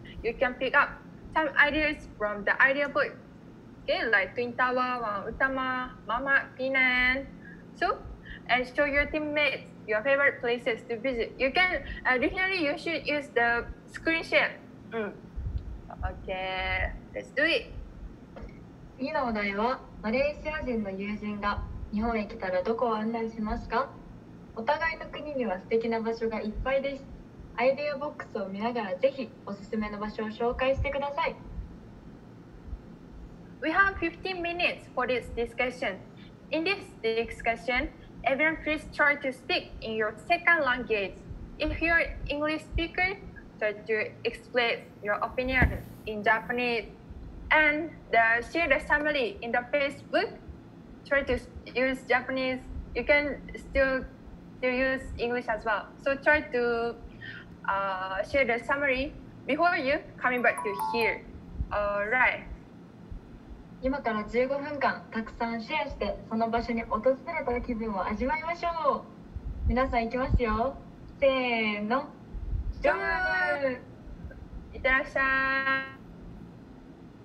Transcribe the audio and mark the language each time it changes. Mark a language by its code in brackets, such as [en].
[en] You can pick up some ideas from the idea book. Okay, like Twin Tower, Utama, Mama, Pinan. So, and show your teammates your favorite places to visit. You can, definitely you should use the screen share. Okay. Let's do it. [ja] 次のお題は、マレーシア人の友人が日本へ来たらどこを案内しますか？お互いの国には素敵な場所がいっぱいです。アイデアボックスを見ながらぜひおすすめの場所を紹介してください。 [en] We have 15 minutes for this discussion. In this discussion, everyone please try to speak in your second language. If you're English speaker, try to explain your opinion. In Japanese and the share the summary in the Facebook. Try to use Japanese. You can still use English as well. So try to share the summary before you coming back to here. Alright. [ja] 今から15分間たくさんシェアしてその場所に訪れた気分を味わいましょう。皆さん行きますよ。せーの。ジョー。いってらっしゃい。